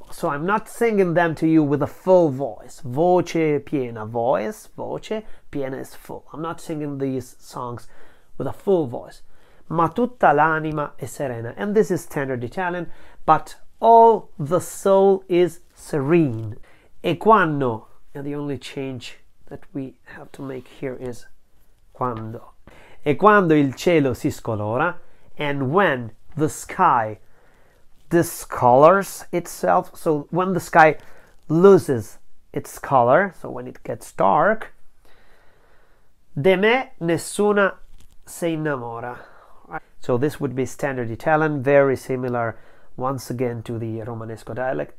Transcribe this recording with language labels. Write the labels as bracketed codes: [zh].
[en] So I'm not singing them to you with a full voice. [it] Voce piena, [en] voice, [it] voce, piena [en] is full. I'm not singing these songs with a full voice. [it] Ma tutta l'anima è serena. [en] And this is standard Italian. But all the soul is serene. [it] E quando? [en] And the only change that we have to make here is quando. [it] E quando il cielo si scolora? [en] And when the sky discolors itself? So when the sky loses its color, so when it gets dark. [it] De me nessuna si innamora. [en] So this would be standard Italian, very similar once again to the Romanesco dialect.